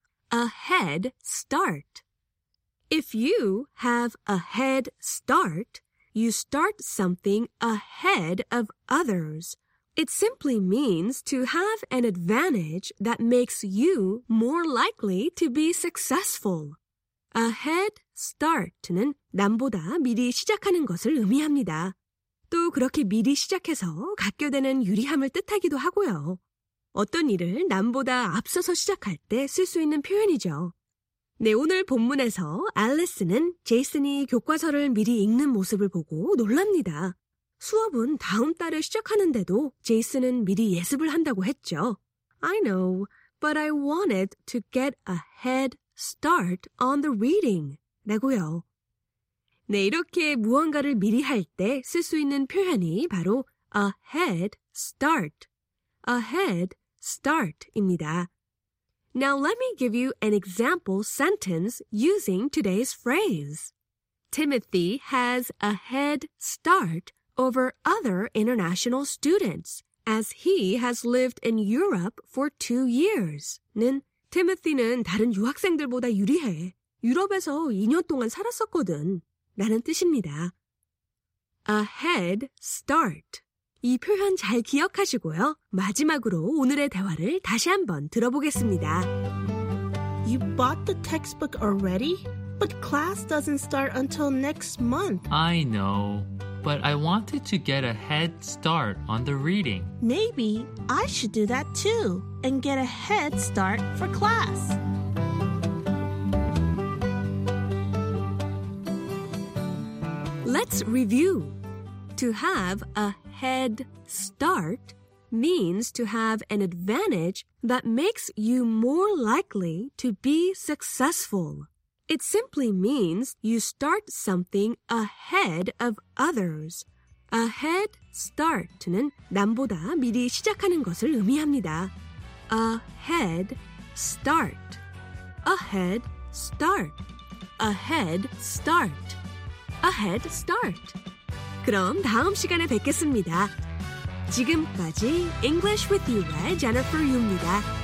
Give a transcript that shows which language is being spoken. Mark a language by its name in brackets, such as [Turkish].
[English] A head start. If you have a head start, you start something ahead of others. It simply means to have an advantage that makes you more likely to be successful. [Korean] A head start는 남보다 미리 시작하는 것을 의미합니다. 또 그렇게 미리 시작해서 갖게 되는 유리함을 뜻하기도 하고요. 어떤 일을 남보다 앞서서 시작할 때 쓸 수 있는 표현이죠. 네, 오늘 본문에서 앨리스는 제이슨이 교과서를 미리 읽는 모습을 보고 놀랍니다. 수업은 다음 달에 시작하는데도 제이슨은 미리 예습을 한다고 했죠. [English] I know, but I wanted to get a head start on the reading. [Korean] 라고요. 네, 이렇게 무언가를 미리 할 때 쓸 수 있는 표현이 바로 a head start. A head start입니다. [English] Now let me give you an example sentence using today's phrase. Timothy has a head start over other international students as he has lived in Europe for 2 years. [Korean] 는 Timothy는 다른 유학생들보다 유리해. 유럽에서 2년 동안 살았었거든. 라는 뜻입니다. [English] A head start. [Korean] 이 표현 잘 기억하시고요. 마지막으로 오늘의 대화를 다시 한번 들어보겠습니다. [English] You bought the textbook already? But class doesn't start until next month. I know, but I wanted to get a head start on the reading. Maybe I should do that too and get a head start for class. Let's review. To have a head start means to have an advantage that makes you more likely to be successful. It simply means you start something ahead of others. [Korean] A head start는 남보다 미리 시작하는 것을 의미합니다. [English] A head start. A head start. A head start. A head start. [Korean] 그럼 다음 시간에 뵙겠습니다. 지금까지 English with You의 Jennifer Yu입니다.